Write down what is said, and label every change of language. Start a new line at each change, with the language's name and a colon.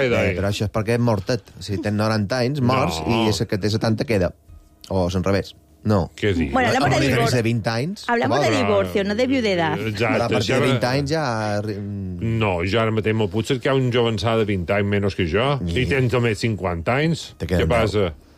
Catalan: Però això és perquè és mortet. Si tens 90 anys, mors, no. I ese que té 70 queda. O és al revés. No.
Spanish: ¿Qué dices? Bueno, hablamos de divorcio.
Catalan: De 20 anys,
Spanish: hablamos de divorcio, no de viudedad.
Catalan: Exacte. A partir de 20 anys ja... No, jo ara mateix m'ho puc cercar un jovençà de 20 anys menys que jo. Si tens només 50 anys, què passa?